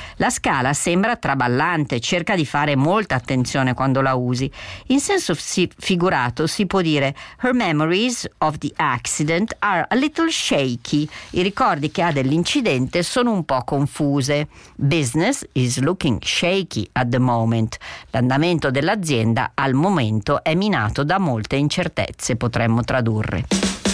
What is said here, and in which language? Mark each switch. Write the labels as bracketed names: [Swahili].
[Italian] La scala sembra traballante. Cerca di fare molta attenzione quando la usi. In senso figurato si può dire [English] her memories of the accident are a little shaky. [Italian] I ricordi che ha dell'incidente sono un po' confuse. [English] Business is looking shaky at the moment. [Italian] L'andamento dell'azienda al momento è minato da molte incertezze, potremmo tradurre.